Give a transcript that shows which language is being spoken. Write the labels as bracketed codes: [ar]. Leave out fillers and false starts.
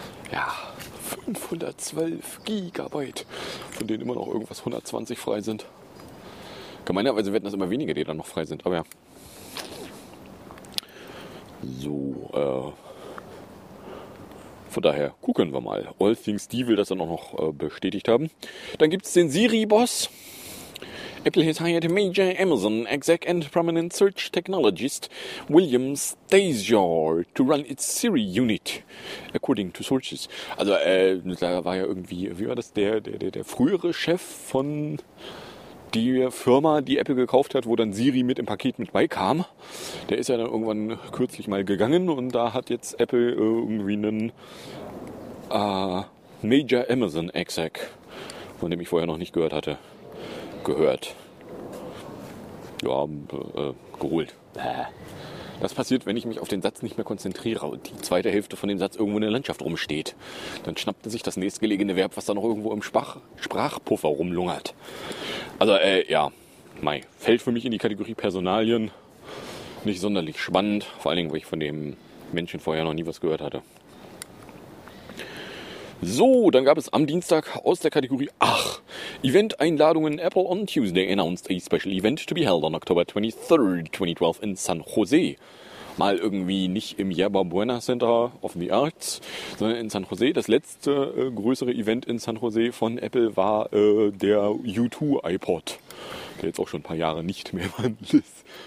[de] Ja, 512 Gigabyte, von denen immer noch irgendwas 120 frei sind. Gemeinerweise werden das immer weniger, die dann noch frei sind, aber ja. So, von daher gucken wir mal. All Things D will das dann auch noch bestätigt haben. Dann gibt es den Siri-Boss. [en] Apple has hired major Amazon exec and prominent search technologist William Stasior to run its Siri unit, according to sources. [de] Also, da war ja irgendwie, wie war das, der frühere Chef von der Firma, die Apple gekauft hat, wo dann Siri mit im Paket mit beikam. Der ist ja dann irgendwann kürzlich mal gegangen und da hat jetzt Apple irgendwie einen [en] major Amazon exec, [de] von dem ich vorher noch nicht gehört hatte. Geholt. Das passiert, wenn ich mich auf den Satz nicht mehr konzentriere und die zweite Hälfte von dem Satz irgendwo in der Landschaft rumsteht. Dann schnappt sich das nächstgelegene Verb, was da noch irgendwo im Sprachpuffer rumlungert. Also, ja, mei. Fällt für mich in die Kategorie Personalien. Nicht sonderlich spannend. Vor allen Dingen, weil ich von dem Menschen vorher noch nie was gehört hatte. So, dann gab es am Dienstag aus der Kategorie, ach, Event-Einladungen. [en] Apple on Tuesday announced a special event to be held on October 23rd, 2012 in San Jose. [de] Mal irgendwie nicht im Yerba Buena Center of the Arts, sondern in San Jose. Das letzte größere Event in San Jose von Apple war der U2 iPod, der jetzt auch schon ein paar Jahre nicht mehr vorhanden ist.